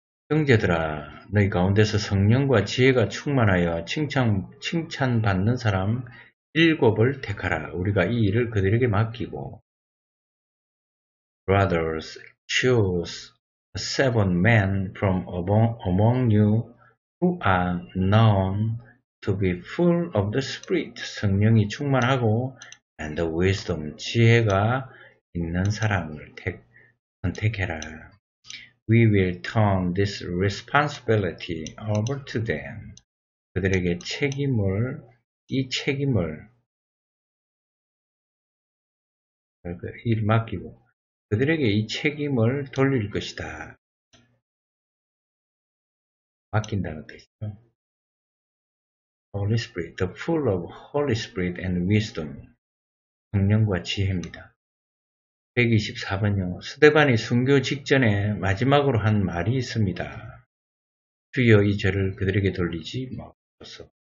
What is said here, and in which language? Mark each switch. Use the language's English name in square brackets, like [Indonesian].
[Korean] 형제들아, 너희 가운데서 성령과 지혜가 충만하여 칭찬받는 사람 일곱을 택하라. 우리가 이 일을 그들에게 맡기고. [English] Brothers, choose seven men from among you who are known to be full of the Spirit. [Korean] 성령이 충만하고 [English] and the wisdom, [Korean] 지혜가 있는 사람을 선택해라. [English] We will turn this responsibility over to them. [Korean] 그들에게 책임을, 이 책임을, 일 맡기고, 그들에게 이 책임을 돌릴 것이다. 맡긴다는 뜻이죠. [English] Holy Spirit, the full of Holy Spirit and wisdom. [Korean] 성령과 지혜입니다. 124번요. 스데반이 순교 직전에 마지막으로 한 말이 있습니다. 주여 이 죄를 그들에게 돌리지 마옵소서.